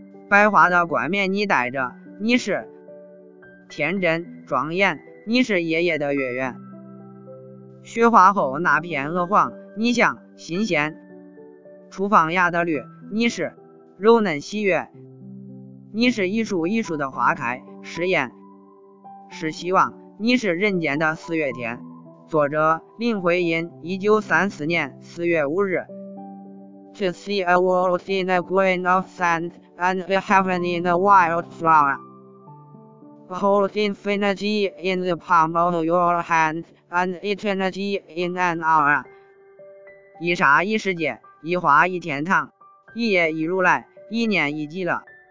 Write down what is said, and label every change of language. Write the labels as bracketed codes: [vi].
[zh] 白花的冠冕你戴着，你是天真庄严，你是夜夜的月圆，雪化后那片鹅黄你像新鲜，厨房芽的绿你是柔嫩喜悦，你是一树一树的花开，是艳是希望，你是人间的四月天。作者林徽因，1934年4月5日。 [en] To see a world in the green of sand and the heaven in the wild flower. Behold infinity in the palm of your hand and eternity in an hour. [zh] 一刹一世界，一花一天堂，一叶一如来，一念一极乐。